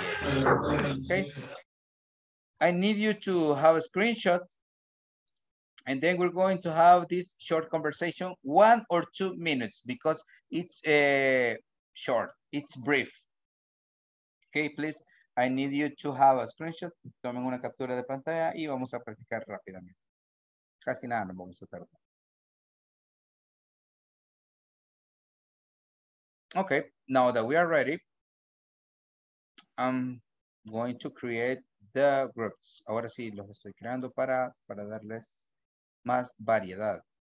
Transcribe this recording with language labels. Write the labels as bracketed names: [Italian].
[English] Okay. I need you to have a screenshot. And then we're going to have this short conversation, 1 or 2 minutes, because it's short, it's brief. Okay, please. I need you to have a screenshot. [Spanish] Tomen una captura de pantalla y vamos a practicar rápidamente. Casi nada nos vamos a tardar. [English] Okay, now that we are ready, I'm going to create the groups. [Spanish] Ahora sí, los estoy creando para darles más variedad.